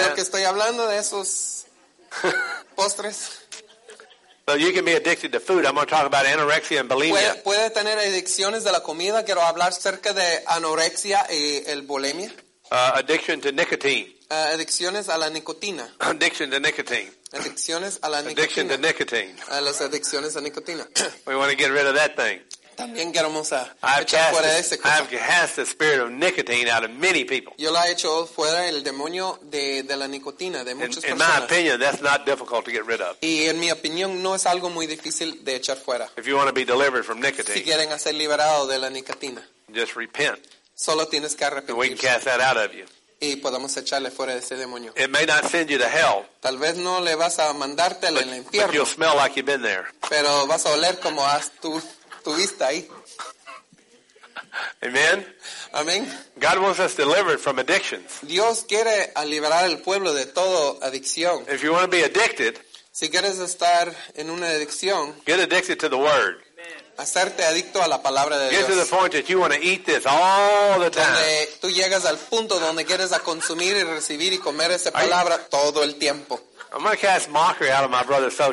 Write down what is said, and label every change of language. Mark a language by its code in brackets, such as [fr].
[es] ¿Saben lo que estoy hablando de esos postres? [en] So you can be addicted to food. I'm going to talk about anorexia and bulimia. [es] Puede tener adicciones de la comida. Quiero hablar acerca de anorexia y el bulimia. [en] Addiction to nicotine. [es] Adicciones a la nicotina. [en] Addiction to nicotine. [es] Adicciones a la [en] addiction [es] nicotina. [en] Addiction to nicotine. [es] Las adicciones a nicotina. [en] We want to get rid of that thing. [es] También queremos echar fuera ese cosa. [en] I've cast the spirit of nicotine out of many people. [es] Yo la he hecho fuera el demonio de la nicotina de muchas personas. [en] In my opinion, that's not difficult to get rid of. [es] Y en mi opinión, no es algo muy difícil de echar fuera. [en] If you want to be delivered from nicotine. [es] Si quieren ser liberado de la nicotina. [en] Just repent. [es] Solo tienes que arrepentirse. [en] And we can cast that out of you. [es] Y podemos echarle fuera de ese demonio. [en] It may not send you to hell. [es] Tal vez no le vas a mandarte al infierno. [en] But you'll smell like you've been there. [es] Pero vas a oler como has tu vista ahí. [en] Amen. Amen. God wants us delivered from addictions. [es] Dios quiere liberar al pueblo de toda adicción. [en] If you want to be addicted, [es] si quieres estar en una adicción, [en] get addicted to the word. [es] Hacerte adicto a la palabra de Dios. [en] Get to the point that you want to eat this all the time. [es] Donde tú llegas al punto donde quieres a consumir y recibir y comer esa palabra todo el tiempo. [en] I'm going to cast mockery out of my brother's soul.